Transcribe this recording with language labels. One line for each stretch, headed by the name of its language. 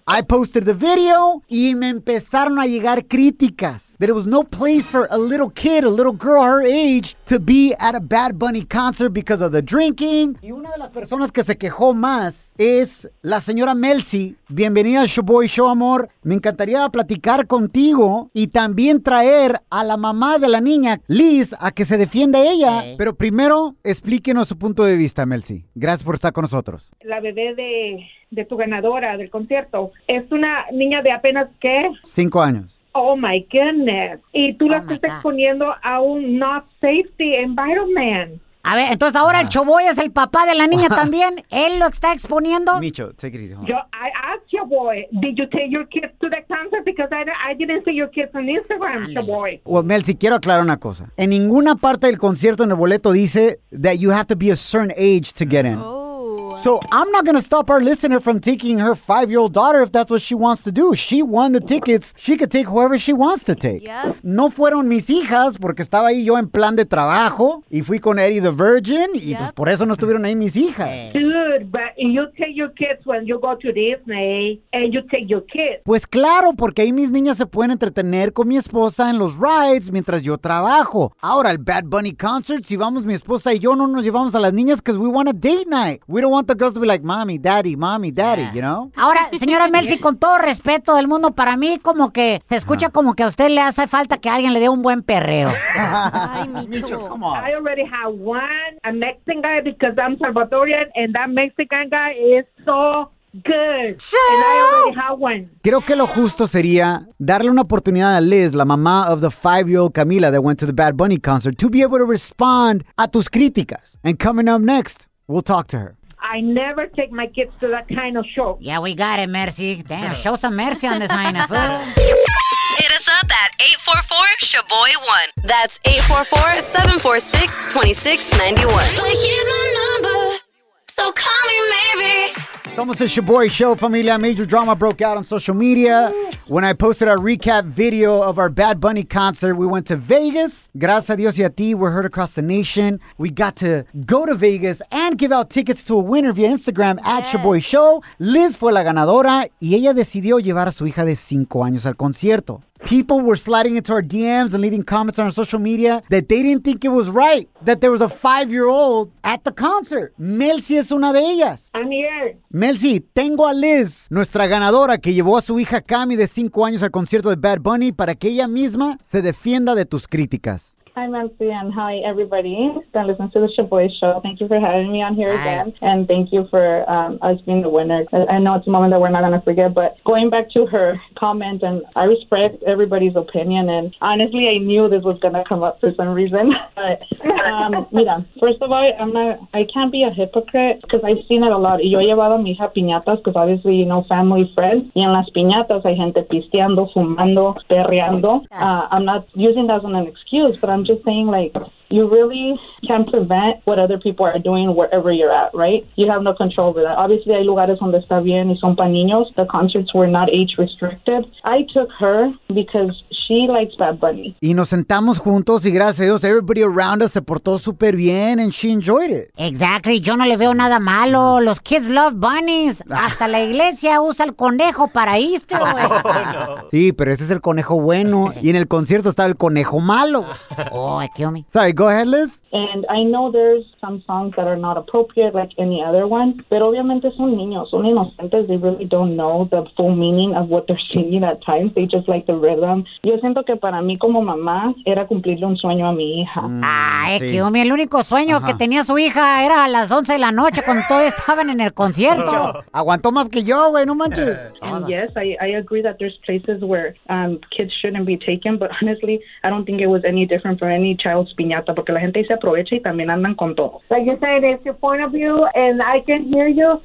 English: I posted the video
Spanish: y me empezaron a llegar críticas
English: that it was no place for a little kid, a little girl her age, to be at a Bad Bunny concert because of the drinking.
Spanish: Y una de las personas que se quejó más es la señora Melcy. Bienvenida a Showboy Show, amor. Me encantaría platicar contigo y también traer a la mamá de la niña, Liz, a que se defienda ella. Okay. Pero primero, explíquenos su punto de vista, Melcy. Gracias por estar con nosotros. La bebé de tu ganadora del concierto es una niña de apenas, ¿qué? 5 años.
English: Oh, my goodness.
Spanish: Y tú la estás exponiendo a un
English: not safety environment.
Spanish: A ver, entonces ahora el Showboy es el papá de la niña también. Él lo está exponiendo.
English: Micho, take it easy. Yo, I asked Showboy, did you take your kids to the concert? Because I didn't see your kids on Instagram, Showboy. Well,
Spanish: Mel, si quiero aclarar una cosa. En ninguna parte del concierto en el boleto dice
English: that you have to be a certain age to get in. Oh. So I'm not going to stop our listener from taking her 5-year-old daughter if that's what she wants to do. She won the tickets. She could take whoever she wants to take. Yep.
Spanish: No fueron mis hijas porque estaba ahí yo en plan de trabajo y fui con Eddie the Virgin y pues por eso no estuvieron ahí mis hijas.
English: Dude, but you take your kids when you go to Disney and you take your kids.
Spanish: Pues claro, porque ahí mis niñas se pueden entretener con mi esposa en los rides mientras yo trabajo. Ahora el Bad Bunny concert, si vamos mi esposa y yo, no nos llevamos a las niñas
English: because we want a date night. We don't want the girls to be like, mommy, daddy, you know?
Spanish: Ahora, señora Melcy, con todo respeto del mundo, para mí como que se escucha como que a usted le hace falta que alguien le dé un buen perreo. Ay, Micho.
English: Micho, come on. I already have a Mexican guy because I'm Salvadorian and that Mexican guy is so good. Sure. And I already have one.
Spanish: Creo que lo justo sería darle una oportunidad a Liz, la mamá
English: of the 5-year-old Camila that went to the Bad Bunny concert, to be able to respond
Spanish: a tus críticas.
English: And coming up next, we'll talk to her. I never take my kids to that kind of show. Yeah, we got it, Mercy. Damn, show some mercy on this line of food. Hit us up at 844-SHABOY1. That's 844-746-2691. But here's my number, so call me maybe. Thomas is your boy show, familia. Major drama broke out on social media when I posted our recap video of our Bad Bunny concert. We went to Vegas.
Spanish: Gracias a Dios y a ti,
English: we're heard across the nation. We got to go to Vegas and give out tickets to a winner via Instagram at your boy show.
Spanish: Liz fue la ganadora y ella decidió llevar a su hija de 5 años al concierto.
English: People were sliding into our DMs and leaving comments on our social media that they didn't think it was right that there was a 5-year-old at the concert.
Spanish: Melcy es una de ellas.
English: I'm here. Melcy, tengo a Liz, nuestra ganadora, que llevó a su hija Cami de 5 años al concierto de Bad Bunny para que ella misma se defienda de tus críticas. Okay, Hi, Mansi, and hi, everybody that listens to the Shaboy Show. Thank you for having me on here again. And thank you for us being the winner. I know it's a moment that we're not going to forget, but going back to her comment, and I respect everybody's opinion, and honestly, I knew this was going to come up for some reason. But, first of all, I can't be a hypocrite because I've seen it a lot.
Spanish: Yo he llevado a mi hija piñatas
English: because obviously, you know, family, friends.
Spanish: Y en las piñatas hay gente pisteando, fumando, perreando.
English: I'm not using that as an excuse, but I'm just saying, like, you really can't prevent what other people are doing wherever you're at, right? You have no control over that. Obviously,
Spanish: hay lugares donde está bien y son para niños.
English: The concerts were not age-restricted. I took her because she likes Bad Bunny.
Spanish: Y nos sentamos juntos y gracias a Dios,
English: everybody around us
Spanish: se portó súper bien
English: and she enjoyed it. Exactly.
Spanish: Yo no le veo nada malo. Los
English: kids love bunnies.
Spanish: Hasta la iglesia usa el conejo para Easter, güey. Oh, no. Sí, pero ese es el conejo bueno. Y en el concierto estaba el conejo malo.
English: Oh, kill me. Sorry. Go ahead, Liz. And I know there's some songs that are not appropriate, like any other one. But
Spanish: obviamente son niños, son inocentes.
English: They really don't know the full meaning of what they're singing at times. They just like the rhythm.
Spanish: Yo siento que para mí como mamá era cumplirle un sueño a mi hija. Ay, sí. Kiyomi, el único sueño que tenía su hija era a las 11 de la noche cuando todos estaban en el concierto. Aguantó más que yo, güey, no manches.
English: Yes, I agree that there's places where kids shouldn't be taken. But honestly, I don't think it was any different for any child's piñata,
Spanish: porque la gente se aprovecha y también andan con todo.
English: Like you said, it's your point of view and I can hear you.